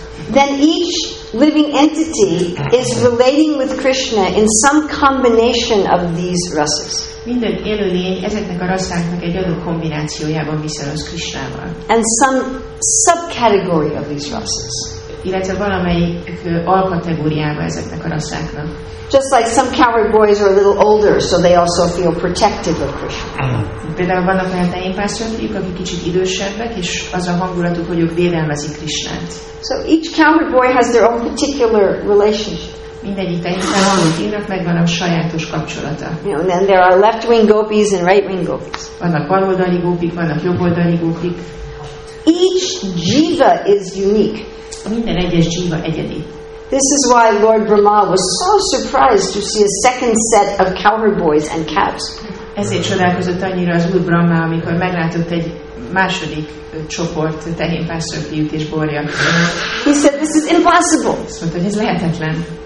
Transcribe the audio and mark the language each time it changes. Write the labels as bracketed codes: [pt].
[en] Then each living entity is relating with Krishna in some combination of these rasas. [hu] Minden élő lény ezeknek a rasszáknak egy adott kombinációjában viszonyoz Krishnával. [en] And some subcategory of these rasas. [hu] Illetve valamelyik alkategóriába ezeknek a rasszáknak. [en] Just like some cowherd boys are a little older, so they also feel protective of Krishna. [hu] Például vannak olyan tehénpásztorfiúk, akik kicsit idősebbek, és az a hangulatuk, hogy ők védelmezik Krishnát. [en] So each cowherd boy has their own particular relationship. [hu] Mindegyik tehénpásztorfiúnak megvan a sajátos kapcsolata. [en] You know, and then there are left-wing gopis and right-wing gopis. [hu] Vannak baloldali gópik, vannak jobboldali gópik. [en] Each jiva is unique. [hu] Minden egyes jiva egyedi. [en] This is why Lord Brahma was so surprised to see a second set of cowherd boys and calves. [hu] Ezért csodálkozott annyira az új Brahma, amikor meglátott egy második csoport tehénpásztorfiút és borja. [en] He said, "This is impossible." [hu] Azt mondta, hogy ez lehetetlen.